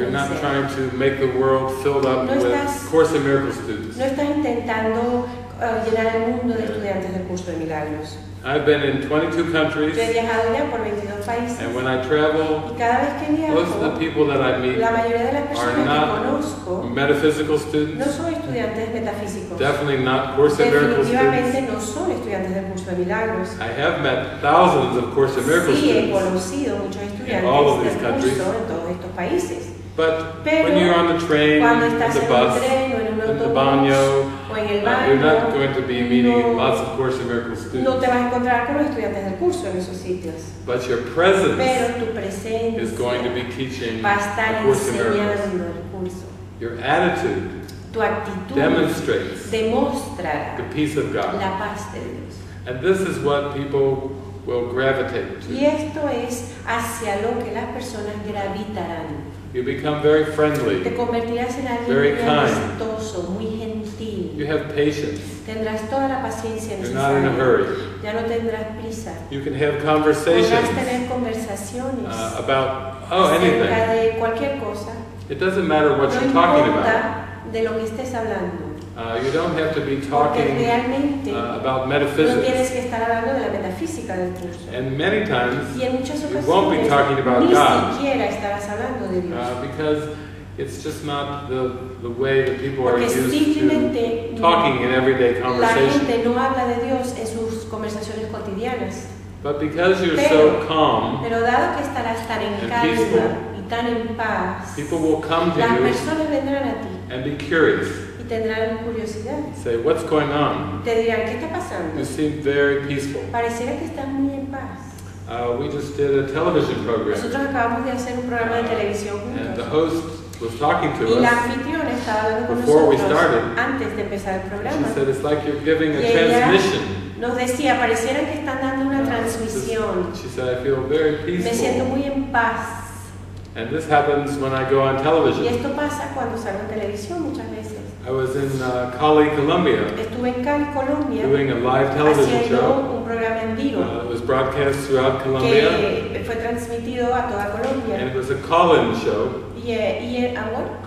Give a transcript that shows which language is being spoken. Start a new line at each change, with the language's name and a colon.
English: You're not trying to make the world filled up
Spanish: no
English: with
Spanish: estás,
English: Course in Miracles students.
Spanish: No estás intentando llenar el mundo de estudiantes del Curso de Milagros.
English: I've been in 22 countries.
Spanish: Yo he viajado ya por 22 países.
English: And when I travel,
Spanish: y cada vez que viajo,
English: most of the people that I meet,
Spanish: la mayoría de las personas
English: are not
Spanish: que conozco,
English: metaphysical students.
Spanish: No son estudiantes metafísicos.
English: Definitely not Course in Miracles students.
Spanish: Definitivamente no son estudiantes del Curso de Milagros.
English: I have met thousands of Course in Miracles
Spanish: sí,
English: students.
Spanish: He conocido muchos estudiantes
English: in all of these countries,
Spanish: en todos estos países.
English: But
Spanish: pero
English: when you're on the train,
Spanish: cuando estás
English: in the bus,
Spanish: en tren, o en un autobús,
English: in the baño,
Spanish: o en el baño,
English: you're not going to be meeting no, lots of Course in Miracles students.
Spanish: No te vas a encontrar con los estudiantes del curso en esos sitios.
English: But your presence
Spanish: pero tu presencia
English: is going to be teaching
Spanish: va a estar
English: the Course
Spanish: enseñando
English: in Miracles.
Spanish: El curso.
English: Your attitude
Spanish: tu actitud
English: demonstrates
Spanish: demostrará
English: the peace of God.
Spanish: La paz de Dios.
English: And this is what people will gravitate to.
Spanish: Y esto es hacia lo que las personas gravitarán.
English: You become very friendly,
Spanish: te convertirás en alguien
English: very
Spanish: muy amistoso, muy gentil.
English: You have patience.
Spanish: Tendrás toda la paciencia
English: you're
Spanish: necesaria.
English: Not in a hurry.
Spanish: Ya no tendrás prisa.
English: You can have conversations.
Spanish: Podrás tener conversaciones
English: about anything.
Spanish: De cualquier cosa.
English: It doesn't matter what
Spanish: no
English: you're talking about.
Spanish: De lo que estés hablando.
English: You don't have to be talking about metaphysics.
Spanish: No tienes que estar hablando de la metafísica del curso.
English: And many times,
Spanish: y en muchas ocasiones,
English: you won't be talking about God.
Spanish: Ni siquiera estarás hablando de Dios.
English: Because it's just not the way that people
Spanish: porque
English: are used to talking in everyday conversation.
Spanish: La gente no habla de Dios en sus conversaciones cotidianas.
English: But because you're so calm,
Spanish: pero dado que estarás tan en calma
English: peaceful,
Spanish: y tan en paz,
English: people will come to
Spanish: las
English: you
Spanish: personas vendrán a ti
English: and be curious.
Spanish: Tendrán curiosidad.
English: Say, what's going on?
Spanish: Te dirán, ¿qué está pasando?
English: You seem very peaceful.
Spanish: Pareciera que estás muy en paz.
English: We just did a television program.
Spanish: Nosotros acabamos de hacer un programa de televisión juntos.
English: And the host was talking to
Spanish: y la anfitriona estaba hablando con
English: before
Spanish: nosotros
English: we started.
Spanish: Antes de empezar el programa.
English: She said, it's like you're giving a
Spanish: y ella
English: transmission.
Spanish: Nos decía, pareciera que están dando una transmisión.
English: She said, I feel very peaceful.
Spanish: Me siento muy en paz.
English: And this happens when I go on television.
Spanish: Y esto pasa cuando salgo en televisión muchas veces.
English: I was in Cali, Colombia.
Spanish: Estuve en Cali, Colombia,
English: doing a live television show.
Spanish: Un programa en vivo.
English: It was broadcast throughout Colombia.
Spanish: Que fue transmitido a toda Colombia.
English: And it was a call-in show.
Spanish: Y el,
English: what?